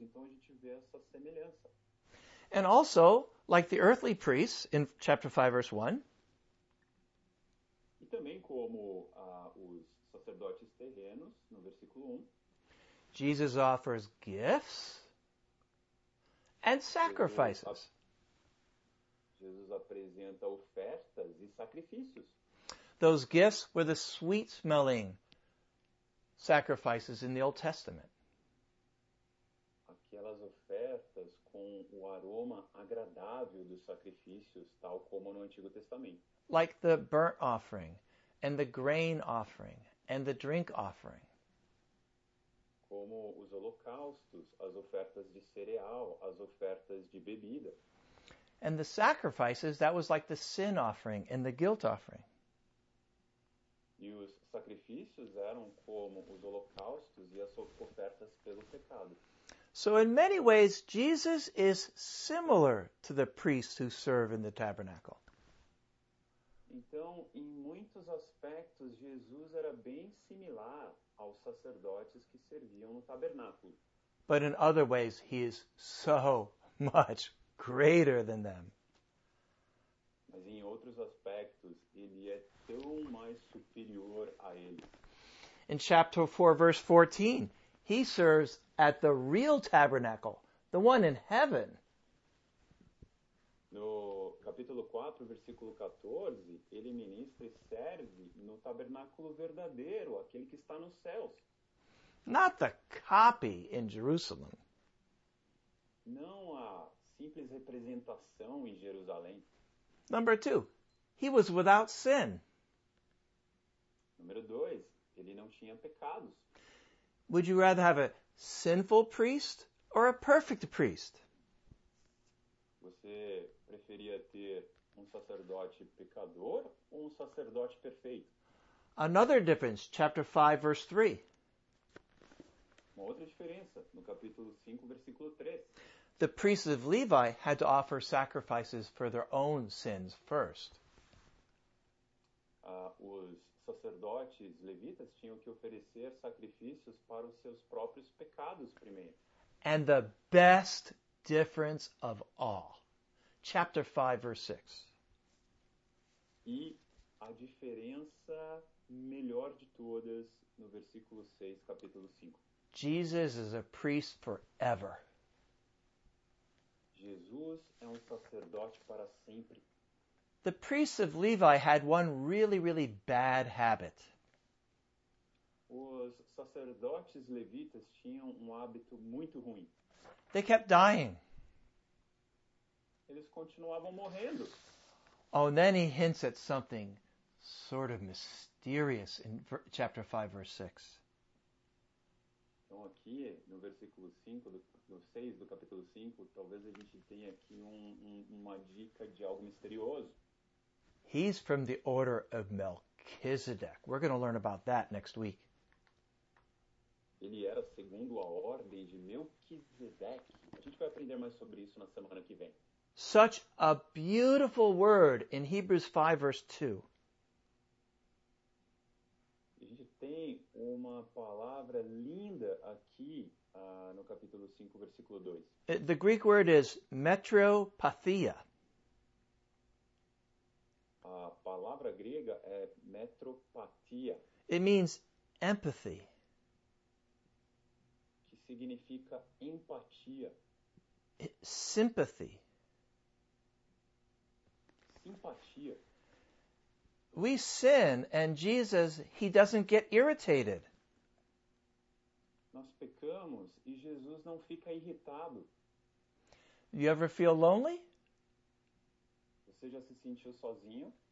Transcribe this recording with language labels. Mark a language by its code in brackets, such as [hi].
[pt] Então a gente vê essa semelhança. [en] And also, like the earthly priests in chapter 5, verse 1, [pt] e também como os sacerdotes terrenos, no versículo 1, [en] Jesus offers gifts and sacrifices. [pt] Jesus apresenta ofertas e sacrifícios. [en] Those gifts were the sweet-smelling sacrifices in the Old Testament. [pt] Aquelas ofertas com o aroma agradável dos sacrifícios, tal como no Antigo Testamento. [en] Like the burnt offering, and the grain offering, and the drink offering. [pt] Como os holocaustos, as ofertas de cereal, as ofertas de bebida. [en] And the sacrifices, that was like the sin offering and the guilt offering. [pt] E os sacrifícios eram como os holocaustos e as ofertas pelo pecado. [en] So in many ways, Jesus is similar to the priests who serve in the tabernacle. [pt] Então, em muitos aspectos, Jesus era bem similar aos sacerdotes que serviam no tabernáculo. [en] But in other ways, he is so much greater than them. [pt] Mas em outros aspectos, ele é tão mais superior a eles. [en] In chapter 4, verse 14, he serves at the real tabernacle, the one in heaven. [pt] No capítulo 4, versículo 14, ele ministra e serve no tabernáculo verdadeiro, aquele que está nos céus. [en] Not the copy in Jerusalem. [pt] Não a simples representação em Jerusalém. [en] Number 2, he was without sin. [pt] Número 2, ele não tinha pecados. [en] Would you rather have a sinful priest or a perfect priest? [pt] Você preferia ter um sacerdote pecador ou um sacerdote perfeito? [en] Another difference, chapter 5, verse 3. [pt] Uma outra diferença, no capítulo 5, versículo 3. [en] The priests of Levi had to offer sacrifices for their own sins first. [pt] Os sacerdotes levitas tinham que oferecer sacrifícios para os seus próprios pecados primeiro. [en] And the best difference of all. Chapter 5, verse 6. [pt] E a diferença melhor de todas no versículo 6, capítulo 5. [en] Jesus is a priest forever. [pt] Jesus é um sacerdote para sempre. [en] The priests of Levi had one really, really bad habit. [pt] Os sacerdotes levitas tinham um hábito muito ruim. [en] They kept dying. [pt] Eles continuavam morrendo. [en] Oh, and then he hints at something sort of mysterious in chapter 5, verse 6. [pt] Então aqui, no versículo 5, no 6 do capítulo 5, talvez a gente tenha aqui uma dica de algo misterioso. [en] He's from the order of Melchizedek. We're going to learn about that next week. [pt] Ele era segundo a ordem de Melquisedeque. A gente vai aprender mais sobre isso na semana que vem. [en] Such a beautiful word in Hebrews 5, verse 2. [pt] A gente tem uma palavra linda aqui no capítulo 5, versículo 2. [en] The Greek word is metropathia. [pt] A palavra grega é metropatia. [en] It means empathy. [pt] Que significa empatia. [en] Sympathy. [pt] Simpatia. [en] We sin and Jesus, he doesn't get irritated. [pt] Nós pecamos e Jesus não fica irritado. [en] You ever feel lonely? [pt] Você já se sentiu sozinho?